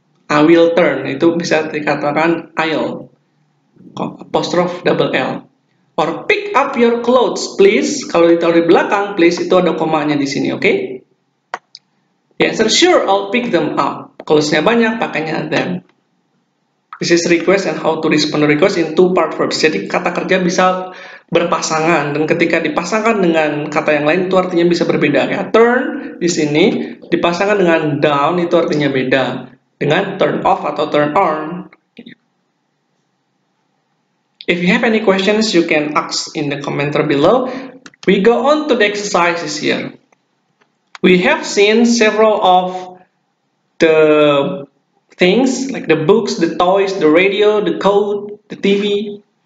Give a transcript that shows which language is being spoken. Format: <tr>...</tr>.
<en>I will turn,</en> <id>itu bisa dikatakan</id> <en>I'll, apostrophe double L. Or pick up your clothes, please.</en> <id>Kalau ditaruh di belakang, please itu ada komanya di sini, oke? Okay?</id> <en>The answer, sure, I'll pick them up.</en> <id>Clothes-nya banyak, pakainya</id> <en>them. This is request and how to respond to request in two part verbs.</en> <id>Jadi kata kerja bisa berpasangan, dan ketika dipasangkan dengan kata yang lain, itu artinya bisa berbeda. Ya. Turn di sini, dipasangkan dengan down, itu artinya beda. Dengan turn off atau turn on.</id> <en>If you have any questions, you can ask in the commentary below. We go on to the exercises here. We have seen several of the things, like the books, the toys, the radio, the coat, the TV.</en>